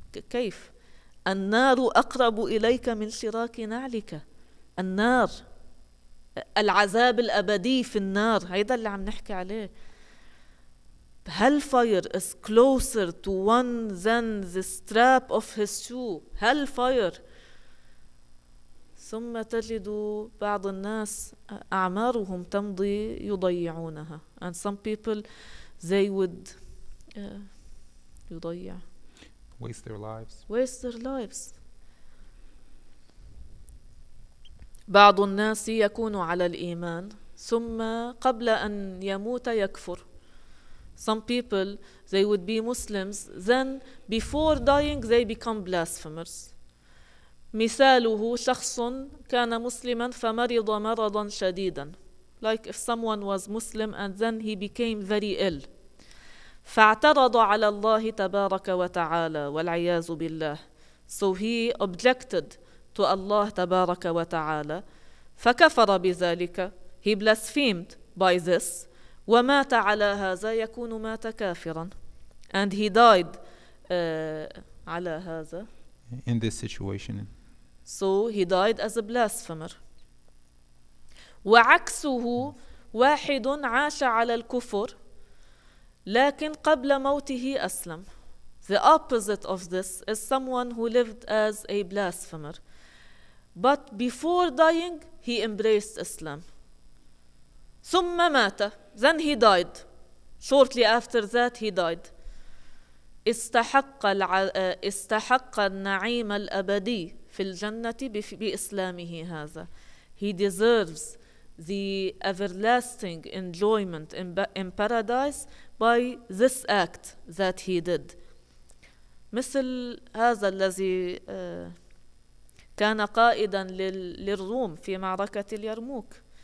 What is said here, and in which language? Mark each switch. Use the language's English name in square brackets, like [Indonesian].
[Arabic] كيف؟ النار أقرب إليك من شراك نعلك. النار العذاب الأبدي في النار هيدا اللي عم نحكي عليه. [English] Hellfire is closer to one than the strap of his shoe. Hellfire. [Arabic] ثم تجد بعض الناس أعمارهم تمضي يضيعونها. [English] And some people, they would [Arabic] يضيع. [English] Waste their lives. Waste their lives. [Arabic] بعض الناس يكون على الإيمان ثم قبل أن يموت يكفر. [English] Some people, they would be Muslims, then before dying, they become blasphemers. [Arabic] مثاله شخص كان مسلما فمرض مرضا شديدا. [English] Like if someone was Muslim and then he became very ill. [Arabic] فاعترض على الله تبارك وتعالى والعياذ بالله. [English] So he objected to Allah [Arabic] تبارك وتعالى. فكفر بذلك. [English] He blasphemed by this. [Arabic] ومات على هذا يكون مات كافرا. [English] And he died [Arabic] على هذا. [English] In this situation. So he died as a blasphemer. [Arabic] وعكسه واحد عاش على الكفر لكن قبل موته أسلم. [English] The opposite of this is someone who lived as a blasphemer. But before dying he embraced Islam. [Arabic] ثم مات. [English] Then he died. Shortly after that he died. [Arabic] استحق النعيم الأبدي في الجنة بإسلامه هذا. [English] He deserves the everlasting enjoyment in paradise by this act that he did. [Arabic] مثل هذا الذي كان قائدا للروم في معركة اليرموك.